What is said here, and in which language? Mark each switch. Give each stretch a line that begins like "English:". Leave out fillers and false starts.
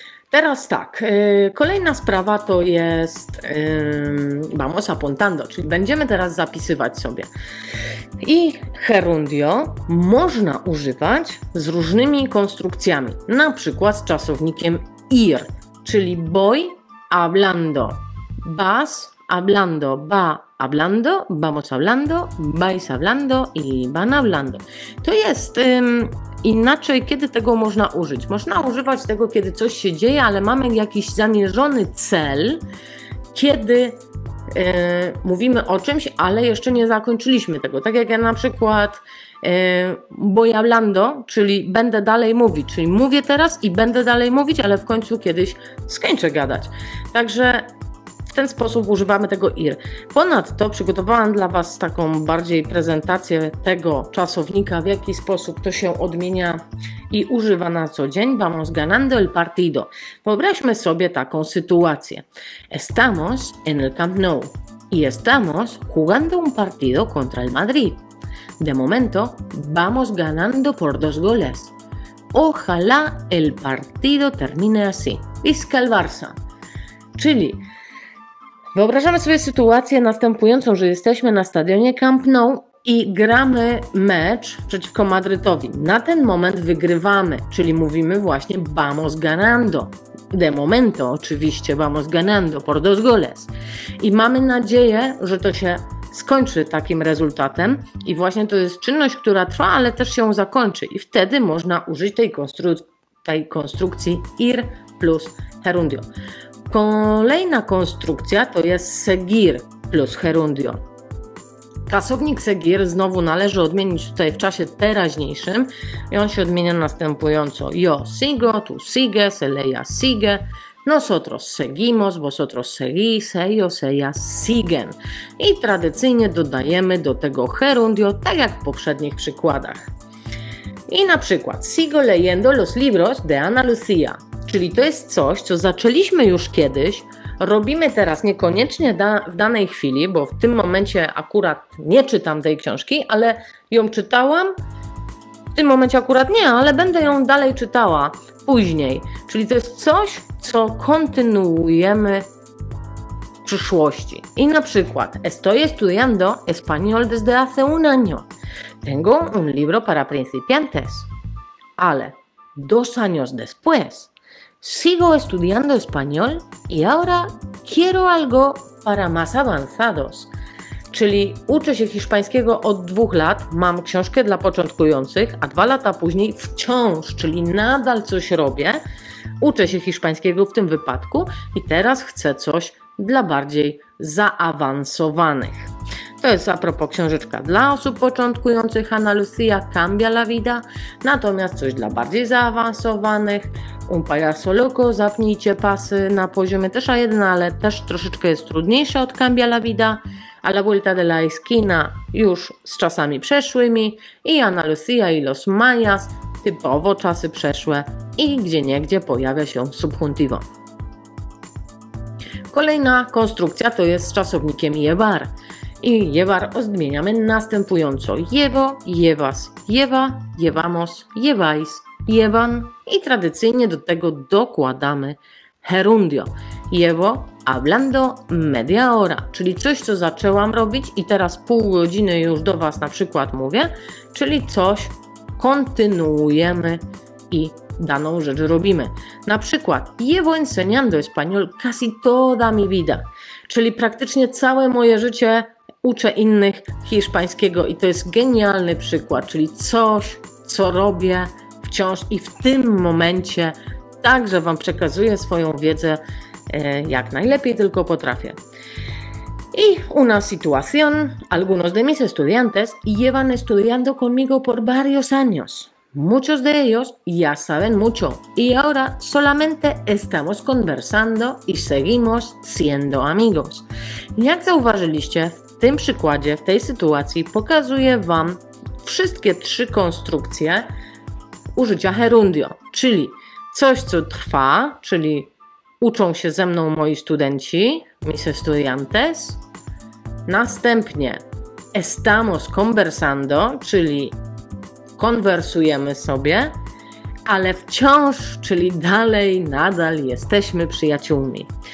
Polish: Teraz tak, kolejna sprawa to jest
Spanish: vamos apuntando,
Polish: czyli będziemy teraz zapisywać sobie. I gerundio można używać z różnymi konstrukcjami, na przykład z czasownikiem
Spanish: ir,
Polish: czyli
Spanish: voy hablando, vas hablando, va hablando, vamos hablando, vais hablando i van hablando.
Polish: To jest inaczej, kiedy tego można użyć. Można używać tego, kiedy coś się dzieje, ale mamy jakiś zamierzony cel, kiedy mówimy o czymś, ale jeszcze nie zakończyliśmy tego. Tak jak ja na przykład
Spanish: voy hablando,
Polish: czyli będę dalej mówić, czyli mówię teraz i będę dalej mówić, ale w końcu kiedyś skończę gadać. Także w ten sposób używamy tego ir. Ponadto przygotowałam dla Was taką bardziej prezentację tego czasownika, w jaki sposób to się odmienia i używa na co dzień.
Spanish: Vamos ganando el partido.
Polish: Wyobraźmy sobie taką sytuację.
Spanish: Estamos en el Camp Nou y estamos jugando un partido contra el Madrid. De momento vamos ganando por 2 goles. Ojalá el partido termine así. Visca el Barça.
Polish: Czyli wyobrażamy sobie sytuację następującą, że jesteśmy na stadionie Camp Nou i gramy mecz przeciwko Madrytowi. Na ten moment wygrywamy, czyli mówimy właśnie
Spanish: vamos ganando. De momento
Polish: oczywiście
Spanish: vamos ganando por 2 goles.
Polish: I mamy nadzieję, że to się skończy takim rezultatem i właśnie to jest czynność, która trwa, ale też się zakończy. I wtedy można użyć tej konstrukcji ir plus gerundio. Kolejna konstrukcja to jest seguir plus gerundio. Czasownik seguir znowu należy odmienić tutaj w czasie teraźniejszym i on się odmienia następująco.
Spanish: Yo sigo, tu sigues, él ella sigue, nosotros seguimos, vosotros seguís, ellos ellas siguen.
Polish: I tradycyjnie dodajemy do tego gerundio, tak jak w poprzednich przykładach. I na przykład
Spanish: sigo leyendo los libros de Ana Lucía.
Polish: Czyli to jest coś, co zaczęliśmy już kiedyś, robimy teraz niekoniecznie w danej chwili, bo w tym momencie akurat nie czytam tej książki, ale ją czytałam, w tym momencie akurat nie, ale będę ją dalej czytała później. Czyli to jest coś, co kontynuujemy w przyszłości. I na przykład
Spanish: estoy estudiando español desde hace un año. Tengo un libro para principiantes.
Polish: Ale
Spanish: 2 años después. Sigo estudiando español y ahora quiero algo para más avanzados.
Polish: Czyli uczę się hiszpańskiego od 2 lat, mam książkę dla początkujących, a 2 lata później wciąż, czyli nadal coś robię, uczę się hiszpańskiego w tym wypadku i teraz chcę coś dla bardziej zaawansowanych. To jest a propos książeczka dla osób początkujących, Ana Lucía, Cambia la vida, natomiast coś dla bardziej zaawansowanych, Un payaso loco, zapnijcie pasy na poziomie też A1, ale też troszeczkę jest trudniejsza od Cambia la vida, A la vuelta de la esquina, już z czasami przeszłymi, i Ana Lucía y los mayas, typowo czasy przeszłe i gdzieniegdzie pojawia się subjuntivo. Kolejna konstrukcja to jest z czasownikiem llevar. I llevar odmieniamy następująco.
Spanish: Llevo, llevas, lleva, llevamos, lleváis, llevan.
Polish: I tradycyjnie do tego dokładamy gerundio.
Spanish: Llevo hablando media hora.
Polish: Czyli coś, co zaczęłam robić i teraz pół godziny już do Was na przykład mówię. Czyli coś kontynuujemy i daną rzecz robimy. Na przykład
Spanish: llevo enseñando español casi toda mi vida.
Polish: Czyli praktycznie całe moje życie uczę innych hiszpańskiego i to jest genialny przykład, czyli coś, co robię wciąż i w tym momencie także Wam przekazuję swoją wiedzę jak najlepiej tylko potrafię.
Spanish: I una situación. Algunos de mis estudiantes llevan estudiando conmigo por varios años. Muchos de ellos ya saben mucho y ahora solamente estamos conversando y seguimos siendo amigos.
Polish: Jak zauważyliście, w tym przykładzie, w tej sytuacji pokazuję Wam wszystkie 3 konstrukcje użycia gerundio, czyli coś, co trwa, czyli uczą się ze mną moi studenci,
Spanish: mis estudiantes,
Polish: następnie
Spanish: estamos conversando,
Polish: czyli konwersujemy sobie, ale wciąż, czyli dalej, nadal jesteśmy przyjaciółmi.